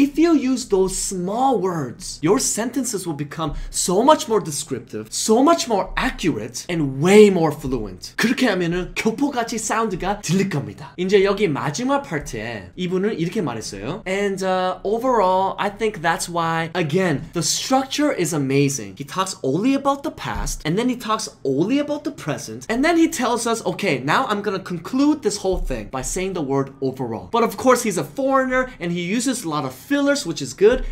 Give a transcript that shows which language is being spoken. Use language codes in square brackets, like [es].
[en] If you use those small words, your sentences will become so much more descriptive, so much more accurate, and way more fluent. [ko] 그렇게 하면은 교포같이 사운드가 들릴 겁니다. 이제 여기 마지막 파트에 이분은 이렇게 말했어요. [en] And overall, I think that's why, again, the structure is amazing. He talks only about the past, and then he talks only about the present, and then he tells us, okay, now I'm gonna conclude this whole thing by saying the word overall. But of course, he's a foreigner and he uses a lot of fillers, which is good.